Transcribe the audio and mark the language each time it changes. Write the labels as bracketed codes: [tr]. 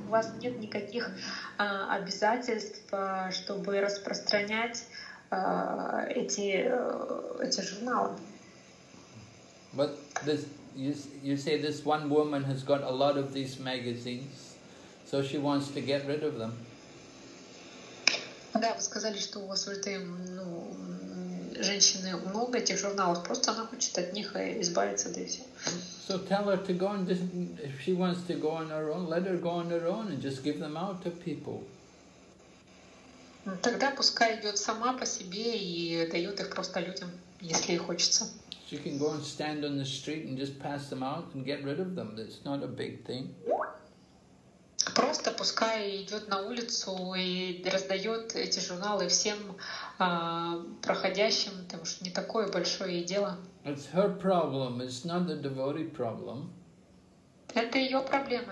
[ru] У вас нет никаких обязательств, чтобы распространять эти журналы. [en] But this, you say this one woman has got a lot of these magazines, so she wants to get rid of them. [ru] Да, вы сказали, что у вас в этом, ну, женщины много этих журналов, просто она хочет от них избавиться, да и все. [en] So tell her to go on, if she wants to go on her own, let her go on her own and just give them out to people. [ru] Тогда пускай идет сама по себе и дает их просто людям, если ей хочется. [en] She can go and stand on the street and just pass them out and get rid of them. That's not a big thing. [ru] Просто пускай идет на улицу и раздает эти журналы всем проходящим, потому что не такое большое дело. [en] It's her problem. It's not the devotee problem. [ru] Это ее проблема.